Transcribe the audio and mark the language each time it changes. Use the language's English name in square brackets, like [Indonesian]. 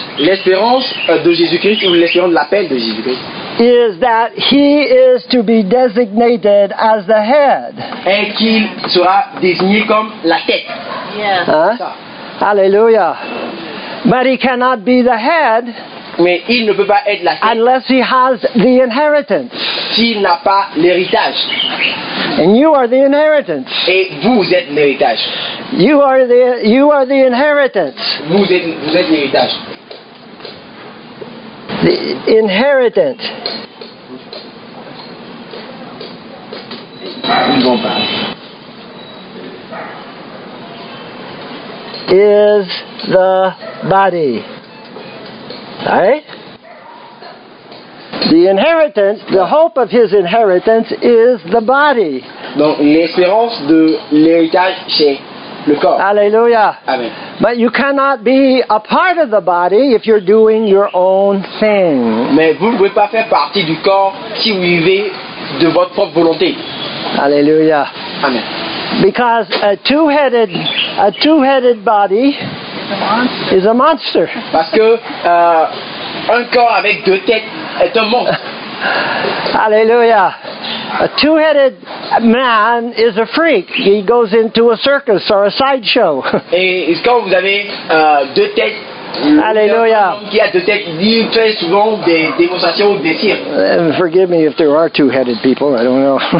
[French] L'espérance de Jésus-Christ ou l'espérance de l'appel de Jésus-Christ. [English] Is that he is to be designated as the head. [French] Et qu'il sera désigné comme la tête. [English] Yeah. Hallelujah. But he cannot be the head. [French] Mais il ne peut pas être la tête. [English] Unless he has the inheritance. [French] S'il n'a pas l'héritage. [English] And you are the inheritance. [French] Et vous êtes l'héritage. [English] You are the inheritance. [French] Vous êtes l'héritage. [English] The inheritance. Is the body. Right? The inheritance, the hope of his inheritance is the body. [French] Donc l'espérance de l'héritage, c'est le corps. Alléluia. Amen. [English] But you cannot be a part of the body if you're doing your own thing. [French] Mais vous ne pouvez pas faire partie du corps si vous vivez de votre propre volonté. Alléluia. Amen. [English] Because a two-headed body is a monster. [French] Parce que un corps avec deux têtes est un monstre. [English] Alléluia. A two-headed man is a freak. He goes into a circus or a sideshow. [French] Et quand vous avez deux têtes. Alléluia. Qui a deux têtes, il fait souvent des démonstrations ou des cirques. [English] Forgive me if there are two-headed people, I don't know.